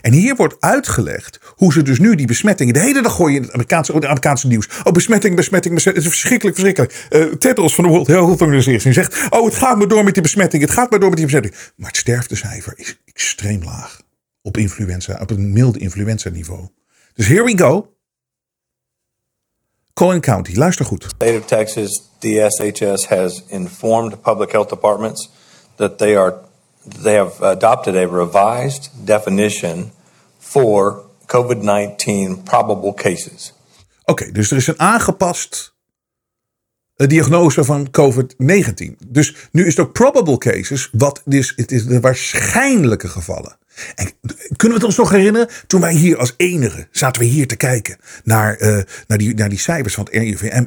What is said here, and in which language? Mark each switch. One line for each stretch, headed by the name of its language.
Dutch: En hier wordt uitgelegd hoe ze dus nu die besmettingen, de hele dag gooien in het Amerikaanse nieuws. Oh, besmetting. Het is verschrikkelijk. Tedros van de World Health Organization zegt, oh, het gaat maar door met die besmetting. Maar het sterftecijfer is extreem laag op influenza, op een milde influenza niveau. Dus
English: here we go.
Dutch: Collin County, luister goed.
English: State of Texas, DSHS has informed public health departments that they have adopted a revised definition for COVID-19 probable cases.
Dutch: Oké, dus er is een aangepast diagnose van COVID-19. Dus nu is het ook probable cases, wat is het, is de waarschijnlijke gevallen. En kunnen we het ons nog herinneren? Toen wij hier als enige zaten we hier te kijken naar die cijfers van het RIVM.